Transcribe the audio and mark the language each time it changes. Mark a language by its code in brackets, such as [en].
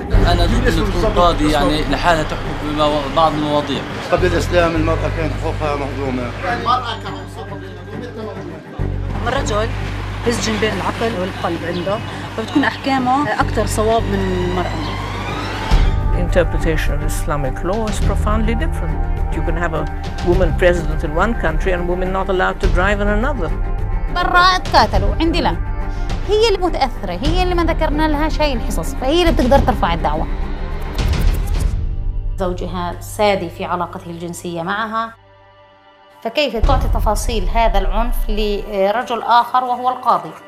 [ar] انا ضد ان تكون قاضي يعني لحالها تحكم في بعض المواضيع. قبل الاسلام المراه كانت حقوقها مهضومه. المراه كانت مهضومه. من رجل بسجن بين العقل والقلب عنده فبتكون احكامه اكثر صواب من المراه. [en] Interpretation of Islamic law is profoundly different. You can have a woman president in one country and a woman not allowed to drive in another. [ar] برا اتقاتلوا عندي لا. هي اللي متأثرة، هي اللي ما ذكرنا لها شيء الحصص، فهي اللي بتقدر ترفع الدعوة. زوجها سادي في علاقته الجنسية معها، فكيف تعطي تفاصيل هذا العنف لرجل آخر وهو القاضي؟